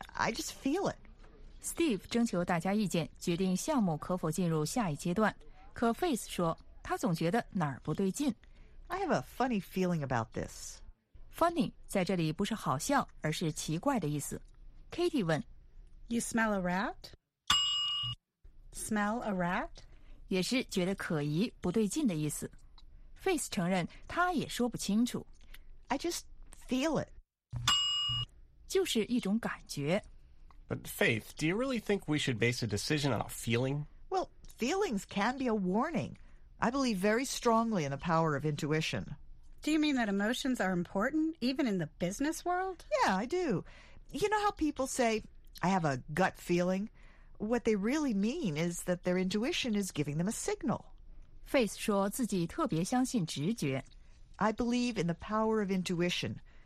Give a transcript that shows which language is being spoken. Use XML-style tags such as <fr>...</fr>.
<en>I just feel it.</en> <zh>Steve 征求大家意见，决定项目可否进入下一阶段。可 Faith 说，他总觉得哪儿不对劲。</zh> <en>I have a funny feeling about this.</en> <zh>Funny 在这里不是好笑，而是奇怪的意思。 Katie 问</zh> <en>，You smell a rat? Smell a rat?</en> <zh>也是觉得可疑、不对劲的意思。Faith 承认他也说不清楚。</zh> <en>I just feel it.</en> <zh>就是一种感觉。</zh> <en>But Faith, do you really think we should base a decision on a feeling? Well, feelings can be a warning. I believe very strongly in the power of intuition. Do you mean that emotions are important, even in the business world? Yeah, I do. You know how people say, I have a gut feeling? What they really mean is that their intuition is giving them a signal.</en> <zh>Faith 说自己特别相信直觉。</zh> <en>I believe in the power of intuition.</en>